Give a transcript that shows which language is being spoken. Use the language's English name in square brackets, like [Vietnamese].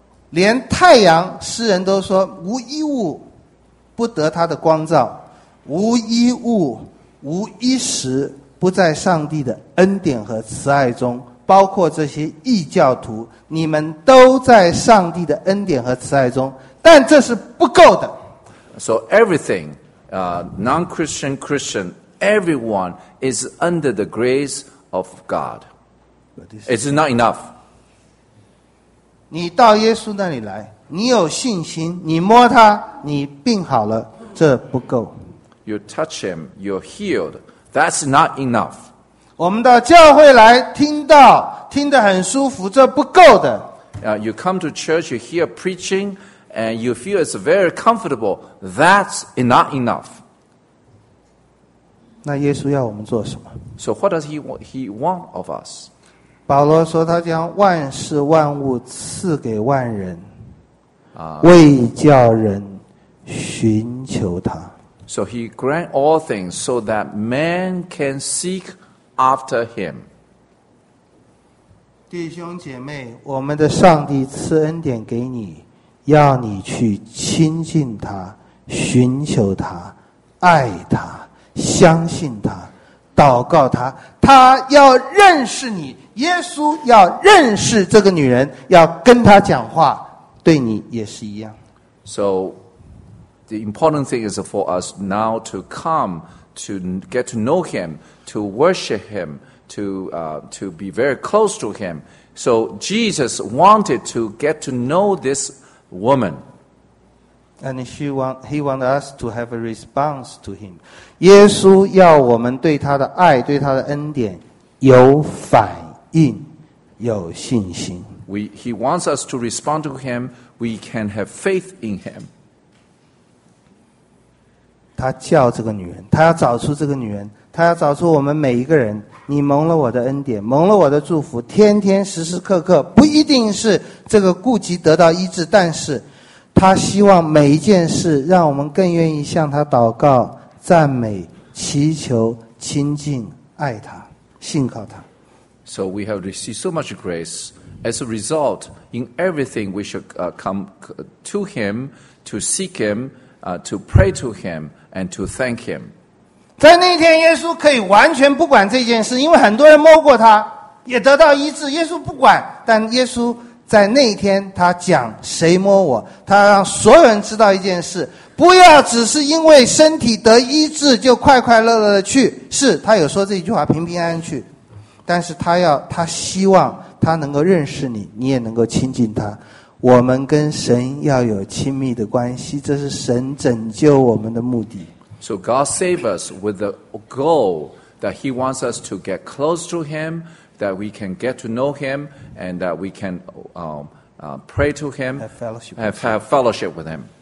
[Chinese] 连太阳，诗人都说无一物不得他的光照，无一物，无一时。不在上帝的恩典和慈爱中，包括这些异教徒，你们都在上帝的恩典和慈爱中，但这是不够的。 [English] So everything, non-Christian, Christian, everyone is under the grace of God. It's not enough. [Chinese] 你到耶稣那里来，你有信心，你摸他，你病好了，这不够。 [English] You touch him, you're healed. That's not enough. [Chinese] 我们到教会来听到，听得很舒服，这不够的。 [English] You come to church, you hear preaching, and you feel it's very comfortable. That's not enough. [Chinese] 那耶稣要我们做什么？ [English] So what does he want of us? [Chinese] 保罗说他将万事万物赐给万人，为叫人寻求他。 [English] So he grant all things so that man can seek after him. [Chinese] 弟兄姐妹，我们的上帝赐恩典给你，要你去亲近他，寻求他，爱他，相信他，祷告他。他要认识你，耶稣要认识这个女人，要跟他讲话，对你也是一样。 [English] So,The important thing is for us now to come, to get to know him, to worship him, to be very close to him. So Jesus wanted to get to know this woman. And he wants us to have a response to him. [Chinese] 耶稣要我们对他的爱，对他的恩典，有反应，有信心。 [English] He wants us to respond to him. We can have faith in him. [Chinese] 他叫这个女人，他要找出这个女人，他要找出我们每一个人。你蒙了我的恩典，蒙了我的祝福，天天时时刻刻不一定是这个顾及得到医治，但是他希望每一件事让我们更愿意向他祷告、赞美、祈求、亲近、爱他、信靠他。 [English] So we have received so much grace. As a result, in everything we should come to him to seek himto pray to him and to thank him. [Chinese] 在那天耶稣可以完全不管这件事，因为很多人摸过他也得到医治，耶稣不管。但耶稣在那天他讲谁摸我，他让所有人知道一件事，不要只是因为身体得医治就快快乐乐的去。是，他有说这句话，平平安安去。但是他希望他能够认识你，你也能够亲近他。我们跟神要有亲密的关系，这是神拯救我们的目的。 [English] So God saved us with the goal that He wants us to get close to Him, that we can get to know Him, and that we can pray to Him, have fellowship, have fellowship with Him.